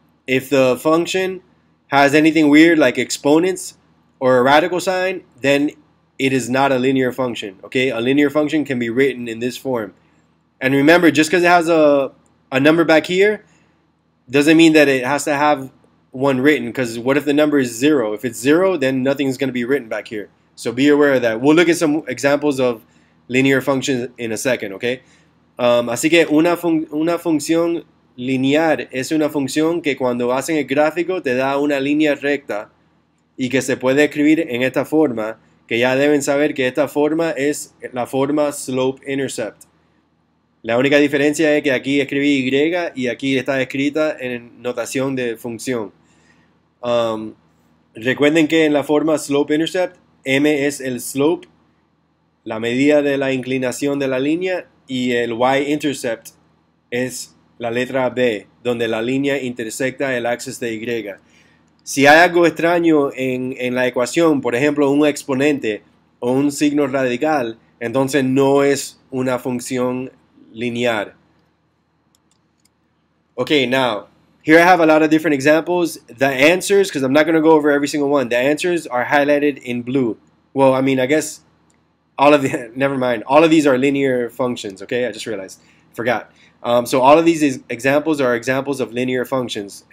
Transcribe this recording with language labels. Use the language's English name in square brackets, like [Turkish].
[English] If the function has anything weird like exponents or a radical sign, then it is not a linear function, okay? A linear function can be written in this form. And remember, just because it has a number back here doesn't mean that it has to have one written, because what if the number is zero? If it's zero, then nothing's going to be written back here. So be aware of that. We'll look at some examples of linear functions in a second, okay? [Spanish] Así que una función lineal es una función que cuando hacen el gráfico te da una línea recta y que se puede escribir en esta forma, que ya deben saber que esta forma es la forma slope-intercept. La única diferencia es que aquí escribí Y y aquí está escrita en notación de función. Recuerden que en la forma slope-intercept, M es el slope, la medida de la inclinación de la línea, y el y-intercept es la letra B, donde la línea intersecta el axis de Y. Si hay algo extraño en la ecuación, por ejemplo, un exponente o un signo radical, entonces no es una función lineal. [English] Okay, now, here I have a lot of different examples. The answers, because I'm not going to go over every single one, the answers are highlighted in blue. Well, I mean, I guess all of the, never mind. All of these are linear functions, okay? I just realized. Forgot. So all of these examples are examples of linear functions.